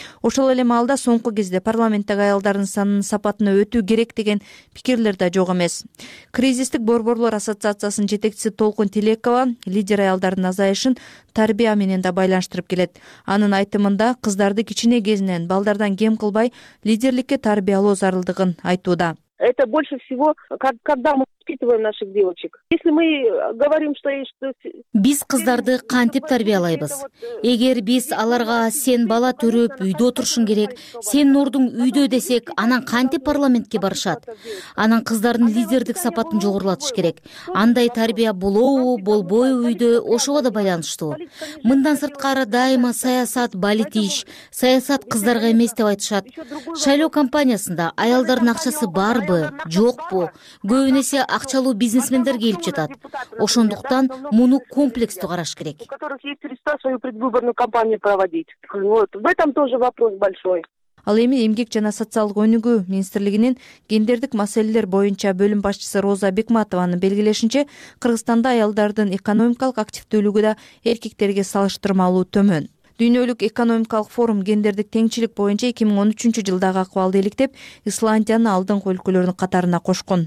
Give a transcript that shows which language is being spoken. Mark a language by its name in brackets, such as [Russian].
[Kyrgyz] Ошол эле маалда соңку кезде парламенттеги аялдардын санынын сапатына өтүү керек деген пикирлер да жок эмес. Кризистик борборлор ассоциациясынын жетекчиси Толкун Тилекова лидер аялдардын азайышын тарбия менен да байланыштырып келет. Анын айтымында кыздарды кичине кезинен балдардан кем кылбай лидерликке тарбиялоо зарылдыгын айтууда. [Russian] Это больше всего, когда мы воспитываем наших девочек. Если мы говорим, что [Kyrgyz] биз кыздарды кантип тарбиялайбыз? Эгер биз аларга сен бала төрөп үйдө отурушуң керек, сенин ордуң үйдө десек, анан кантип парламентке барышат? Анан кыздардын лидердик сапатын жогорулатыш керек. Андай тарбия болобу, болбойбу үйдө ошого да байланыштуу. Мындан сырткары дайыма саясат балитиш, саясат кыздарга эмес деп айтышат. Шайлоо кампаниясында аялдардын акчасы бар бы, жок бу, көбүнесе акчалуу бизнесмендер келип жатат. Ошондуктан муну комплекстүү караш керек. [Russian] В этом тоже вопрос большой. [Kyrgyz] Ал эми эмгек жана социалдык өнүгүү министрлигинин гендердик маселелер боюнча бөлүм башчысы Роза Бекматованын белгилешинче, Кыргызстанда аялдардын экономикалык активдүүлүгү да эркектерге салыштырмалуу төмөн. Дүйнөлүк экономикалык форум гендердик теңчилик боюнча 2013 жылдагы акыбалды иликтеп, Исландияны алдыңкы өлкөлөрдүн катарына кошкон.